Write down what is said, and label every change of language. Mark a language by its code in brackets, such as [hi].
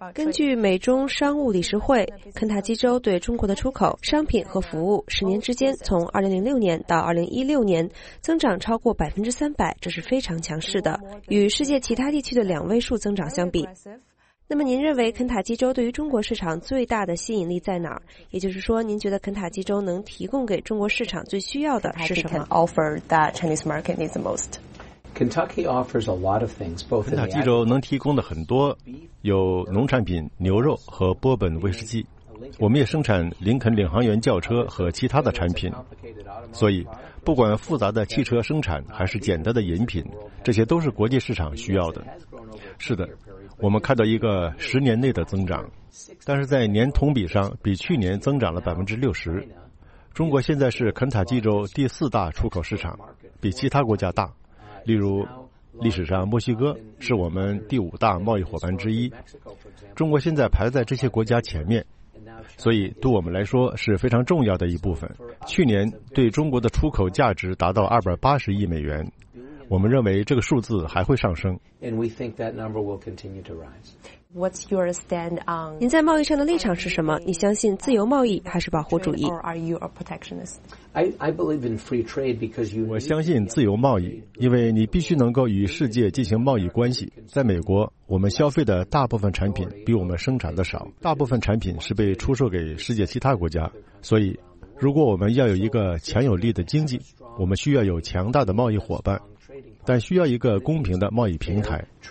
[zh] 根据美中商务理事会，肯塔基州对中国的出口商品和服务10年之间，从2006年到2016年增长超过300%，这是非常强势的，与世界其他地区的2位数增长相比。那么您认为肯塔基州对于中国市场最大的吸引力在哪儿？也就是说，您觉得肯塔基州能提供给中国市场最需要的是什么？ [en] Kentucky can offer that Chinese market needs the most. Kentucky offers a lot of things. [zh] 肯塔基州能提供的很多，有农产品、牛肉和波本威士忌。我们也生产林肯领航员轿车和其他的产品，所以不管复杂的汽车生产还是简单的饮品，这些都是国际市场需要的。是的，我们看到一个10年内的增长，但是在年同比上比去年增长了60%。中国现在是肯塔基州第4大出口市场，比其他国家大，例如历史上墨西哥是我们第5大贸易伙伴之一，中国现在排在这些国家前面，所以对我们来说是非常重要的一部分。去年对中国的出口价值达到280亿美元，我们认为这个数字还会上升。 [en] What's your stand on? [zh] 您在贸易上的立场是什么？你相信自由贸易还是保护主义 [en] ？Are you a protectionist? I believe in free trade because you. [zh] 我相信自由贸易，因为你必须能够与世界进行贸易关系。在美国，我们消费的大部分产品比我们生产的少，大部分产品是被出售给世界其他国家。所以，如果我们要有一个强有力的经济，我们需要有强大的贸易伙伴，但需要一个公平的贸易平台。